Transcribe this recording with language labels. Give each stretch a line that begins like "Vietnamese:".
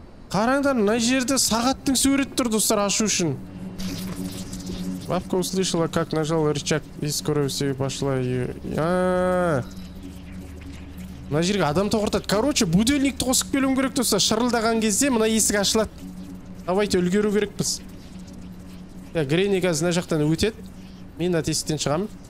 Kazakh: Қараңдар, мына жерде сағаттың сөреті тұр, достар, ашу үшін.
Russian: Бабка услышала, как нажал рычаг, и скоро все пошла.
Kazakh: Мына жерге адам тоқыртады. Короче, будильникті қосып келуім керек, достар. Шырылдаған кезде мына есік ашылады. Давайте үлгеру керекпіз. Грени газ мына жақтан өтеді. Мен мына тесіктен шығамын.